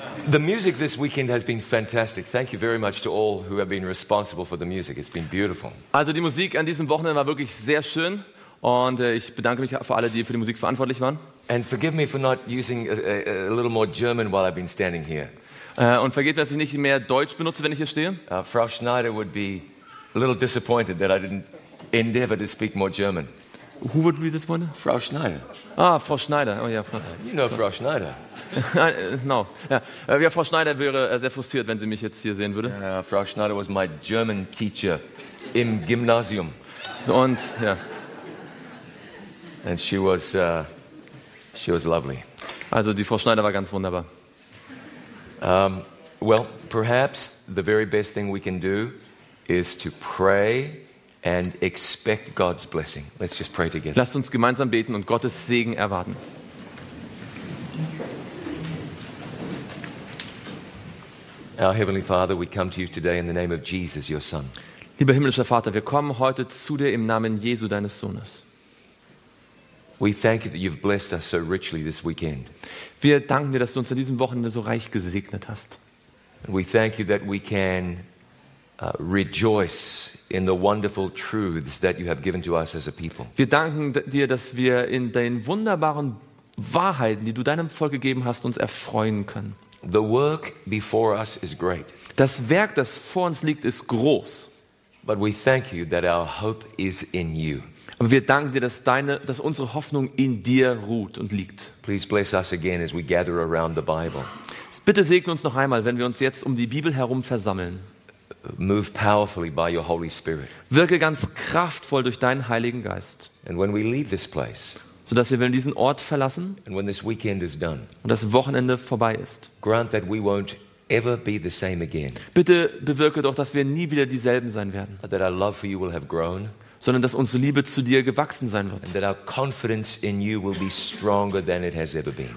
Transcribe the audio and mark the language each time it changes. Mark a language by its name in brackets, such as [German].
[English] The music this weekend has been fantastic. Thank you very much to all who have been responsible for the music. It's been beautiful. [German] Also die Musik an diesem Wochenende war wirklich sehr schön. Und ich bedanke mich für alle, die für die Musik verantwortlich waren. [English] And forgive me for not using a little more German while I've been standing here. [German] Und vergebt, dass ich nicht mehr Deutsch benutze, wenn ich hier stehe. [English] Frau Schneider would be a little disappointed that I didn't endeavor to speak more German. Who would be disappointed? Frau Schneider. [German] Ah, Frau Schneider. Oh ja, Frau. [English] You know Frau Schneider. No. [German] Ja, Frau Schneider wäre sehr frustriert, wenn sie mich jetzt hier sehen würde. [English] Frau Schneider was my German teacher [German] im Gymnasium. Und ja. [English] And she was lovely. [German] Also die Frau Schneider war ganz wunderbar. [English] Well, perhaps the very best thing we can do is to pray and expect God's blessing. Let's just pray together. [German] Lasst uns gemeinsam beten und Gottes Segen erwarten. [English] Our heavenly Father, we come to you today in the name of Jesus, your Son. [German] Lieber himmlischer Vater, wir kommen heute zu dir im Namen Jesu, deines Sohnes. [English] We thank you that you've blessed us so richly this weekend. [German] Wir danken dir, dass du uns in diesem Wochenende so reich gesegnet hast. [English] And we thank you that we can rejoice in the wonderful truths that you have given to us as a people. [German] Wir danken dir, dass wir in den wunderbaren Wahrheiten, die du deinem Volk gegeben hast, uns erfreuen können. [English] The work before us is great. [German] Das Werk, das vor uns liegt, ist groß. [English] But we thank you that our hope is in you. [German] Aber wir danken dir, dass unsere Hoffnung in dir ruht und liegt. [English] Please bless us again as we gather around the Bible. [German] Bitte segne uns noch einmal, wenn wir uns jetzt um die Bibel herum versammeln. [English] Move powerfully by your Holy Spirit. [German] Wirke ganz kraftvoll durch deinen Heiligen Geist. [English] And when we leave this place, [German] sodass wir, wenn wir diesen Ort verlassen [English] and when this weekend is done, [German] und das Wochenende vorbei ist, [English] grant that we won't ever be the same again. [German] Bitte bewirke doch, dass wir nie wieder dieselben sein werden. [English] That our love for you will have grown, [German] sondern dass unsere Liebe zu dir gewachsen sein wird. [English] And that our confidence in you will be stronger than it has ever been.